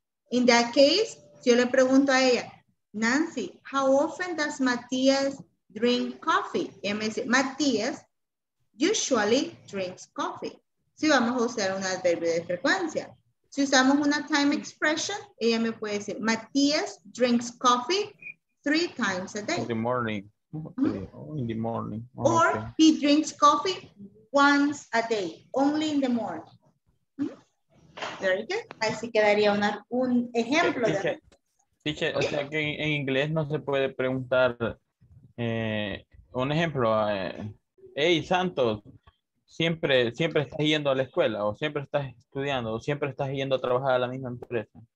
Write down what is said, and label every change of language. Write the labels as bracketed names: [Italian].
[English] In that case, [Spanish] si yo le pregunto a ella, [English] Nancy, how often does Matías drink coffee? [Spanish] Y ella me dice, [English] Matías usually drinks coffee. [Spanish] Si vamos a usar un adverbio de frecuencia. Si usamos una [English] time expression, [Spanish] ella me puede decir, [English] Matías drinks coffee 3 times a day. In the morning. In the morning. Oh, or okay. He drinks coffee once a day, only in the morning. Very good. [Spanish] Así quedaría un ejemplo. Dice, o sea que en inglés no se puede preguntar un ejemplo. Hey, Santos, siempre estás yendo a la escuela, o siempre estás estudiando, o siempre estás yendo a trabajar a la misma empresa.